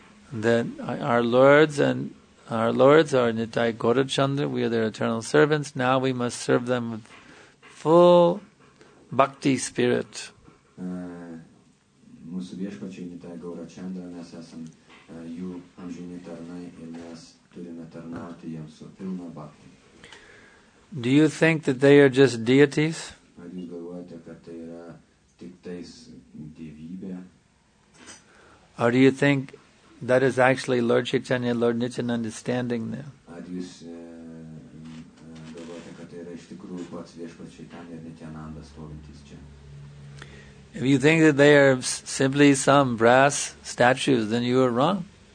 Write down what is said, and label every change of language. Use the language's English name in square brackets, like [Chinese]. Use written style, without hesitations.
[English] That our lords are Nitai Gaura Chandra, we are their eternal servants. Now we must serve them with full bhakti spirit. [Lithuanian] mūsų viešpačiai Taigaura Čandra, mes esam jų amžini tarnai ir mes turime tarnauti jiems su pilna bhakti. [English] Do you think that they are just deities? [Lithuanian] Ar jūs galvojate, kad tai yra tik tais dievybė? [English] Or do you think that is actually Lord Chaitanya, Lord Nityananda understanding them? [Lithuanian] Ar jūs galvojate, kad tai yra iš tikrųjų pats viešpats Chaitanya ir Nityananda stovintis čia? [English] If you think that they are simply some brass statues, then you are wrong.